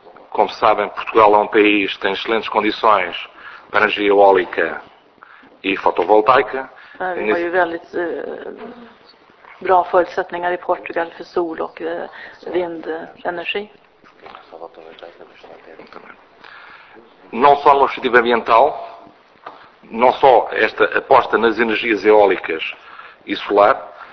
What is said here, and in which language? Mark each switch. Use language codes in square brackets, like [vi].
[pt] Como sabem, Portugal é um país que tem excelentes condições para energia eólica e fotovoltaika. [sv] Vi har ju väldigt bra förutsättningar i Portugal för sol och vindenergi. [pt] Não só no objetivo ambiental, não só esta aposta nas energias eólicas e solar,